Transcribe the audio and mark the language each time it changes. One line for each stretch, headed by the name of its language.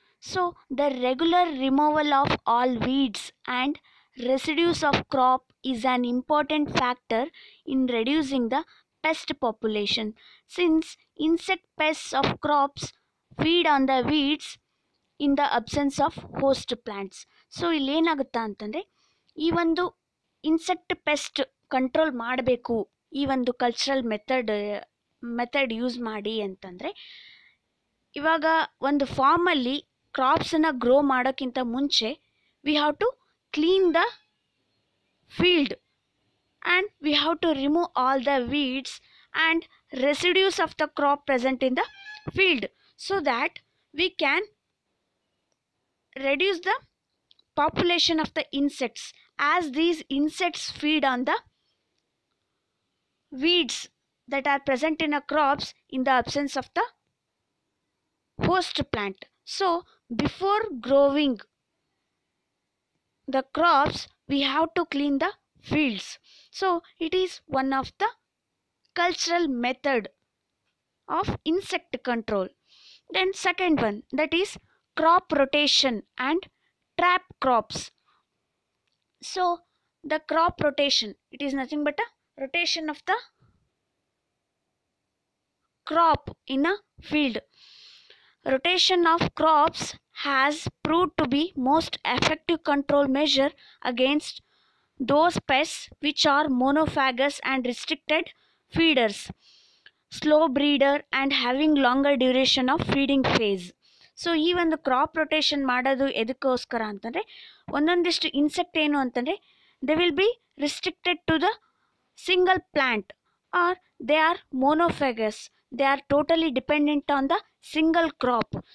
English: So the regular removal of all weeds and residues of crop is an important factor in reducing the pest population. Since insect pests of crops feed on the weeds in the absence of host plants. So
Kannada: ಇಲ್ಲಿ ಏನಾಗುತ್ತಾ ಅಂತಂದರೆ, ಈ ಒಂದು insect pest control ಮಾಡಬೇಕು, ಈ ಒಂದು cultural method use ಮಾಡಿ ಅಂತಂದರೆ, ಇವಾಗ ಒಂದು ಫಾರ್ಮಲ್ಲಿ ಕ್ರಾಪ್ಸನ್ನು ಗ್ರೋ ಮಾಡೋಕ್ಕಿಂತ ಮುಂಚೆ
English: We have to clean the field and we have to remove all the weeds and residues of the crop present in the field so that we can reduce the population of the insects, as these insects feed on the weeds that are present in a crops in the absence of the host plant. So before growing the crops, we have to clean the fields. So it is one of the cultural method of insect control. Then second one, that is crop rotation and trap crops. So the crop rotation, it is nothing but a rotation of the crop in a field. Rotation of crops has proved to be most effective control measure against those pests which are monophagous and restricted feeders, slow breeder and having longer duration of feeding phase. So
Kannada: ಈ ಒಂದು crop rotation ಮಾಡೋದು ಎದಕ್ಕೋಸ್ಕರ ಅಂತಂದರೆ, ಒಂದೊಂದಿಷ್ಟು insect ಏನು ಅಂತಂದರೆ,
English: They will be restricted to the single plant or they are monophagous, they are totally dependent on the single crop.